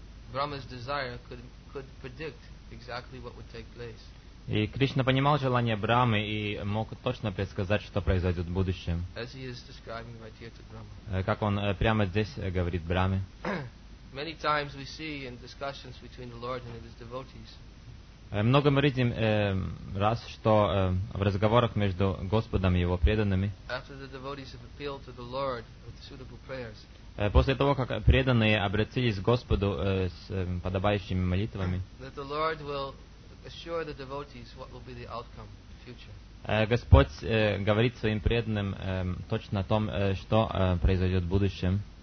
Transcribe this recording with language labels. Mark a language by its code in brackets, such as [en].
[en] Brahma's desire could predict exactly what would take place. [ru] И Кришна понимал желание Брахмы и мог точно предсказать, что произойдет в будущем. [en] As he is describing right here to Brahma. [ru] Как он прямо здесь говорит Брахме. [en] Many times we see in discussions between the Lord and his devotees. [ru] Много мы видим раз, что в разговорах между Господом и его преданными. [en] After the devotees have appealed to the Lord with suitable prayers. [ru] После того, как преданные обратились к Господу с подобающими молитвами, Господь говорит своим преданным точно о том, что произойдет в будущем.